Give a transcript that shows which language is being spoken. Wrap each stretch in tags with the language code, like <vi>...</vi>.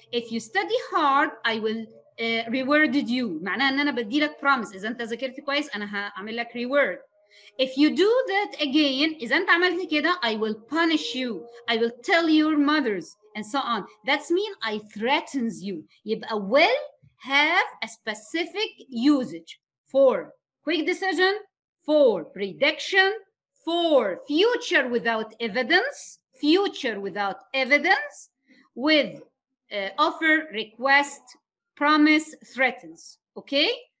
<en>If you study hard, I will reward you.</en> <ar>معناها أن أنا بدي لك promise. إذا أنت ذكرت كويس, أنا هعمل لك reward.</ar> <en>If you do that again,</en> <ar>إذا أنت عملت كده,</ar> <en>I will punish you. I will tell your mothers and so on. That means I threatens you. يبقى will have a specific usage for quick decision, for prediction, for future without evidence, with offer, request, promise, threatens. Okay?</en>